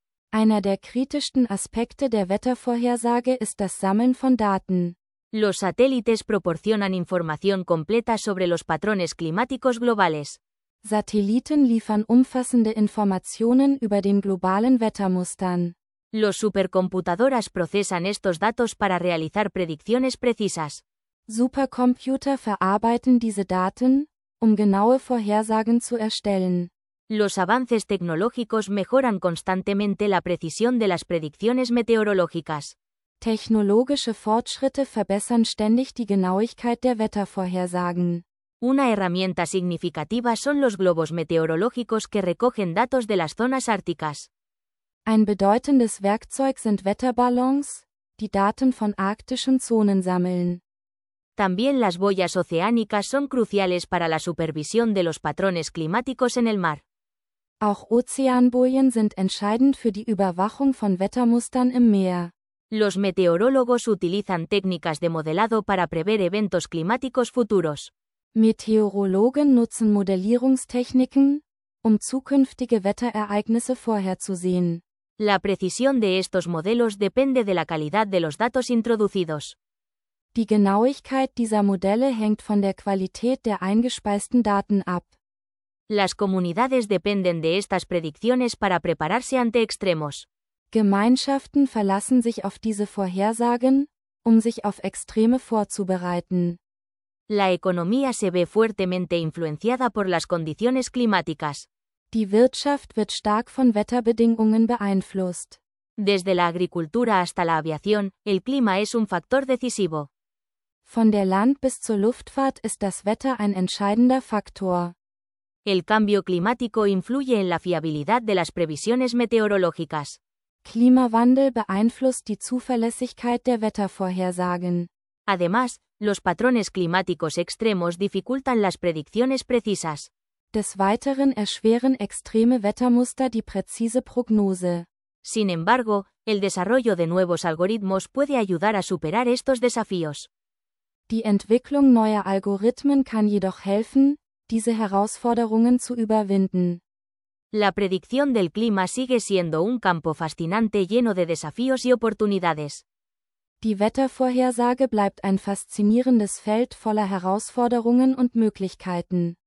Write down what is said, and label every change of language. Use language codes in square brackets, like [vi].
[de] Einer der kritischsten Aspekte der Wettervorhersage ist das Sammeln von Daten. [es] Los satélites proporcionan información completa sobre los patrones climáticos globales. [de] Satelliten liefern umfassende Informationen über den globalen Wettermustern. [es] Los supercomputadoras procesan estos datos para realizar predicciones precisas. [de] Supercomputer verarbeiten diese Daten, um genaue Vorhersagen zu erstellen. [es] Los avances tecnológicos mejoran constantemente la precisión de las predicciones meteorológicas. [de] Technologische Fortschritte verbessern ständig die Genauigkeit der Wettervorhersagen. [es] Una herramienta significativa son los globos meteorológicos que recogen datos de las zonas árticas. [de] Ein bedeutendes Werkzeug sind Wetterballons, die Daten von arktischen Zonen sammeln. [es] También las boyas oceánicas son cruciales para la supervisión de los patrones climáticos en el mar. [de] Auch Ozeanbojen sind entscheidend für die Überwachung von Wettermustern im Meer. [es] Los meteorólogos utilizan técnicas de modelado para prever eventos climáticos futuros. [de] Meteorologen nutzen Modellierungstechniken, um zukünftige Wetterereignisse vorherzusehen. [es] La precisión de estos modelos depende de la calidad de los datos introducidos. [de] Die Genauigkeit dieser Modelle hängt von der Qualität der eingespeisten Daten ab. [es] Las comunidades dependen de estas predicciones para prepararse ante extremos. [de] Gemeinschaften verlassen sich auf diese Vorhersagen, um sich auf Extreme vorzubereiten. [es] La economía se ve fuertemente influenciada por las condiciones climáticas. [de] Die Wirtschaft wird stark von Wetterbedingungen beeinflusst. [es] Desde la agricultura hasta la aviación, el clima es un factor decisivo. [de] Von der Land- bis zur Luftfahrt ist das Wetter ein entscheidender Faktor. [es] El cambio climático influye en la fiabilidad de las previsiones meteorológicas. [de] Klimawandel beeinflusst die Zuverlässigkeit der Wettervorhersagen. [es] Además, los patrones climáticos extremos dificultan las predicciones precisas. [de] Des Weiteren erschweren extreme Wettermuster die präzise Prognose. [es] Sin embargo, el desarrollo de nuevos algoritmos puede ayudar a superar estos desafíos. [de] Die Entwicklung neuer Algorithmen kann jedoch helfen, diese Herausforderungen zu überwinden. [es] La predicción del clima sigue siendo un campo fascinante lleno de desafíos y oportunidades. [de] Die Wettervorhersage bleibt ein faszinierendes Feld voller Herausforderungen und Möglichkeiten.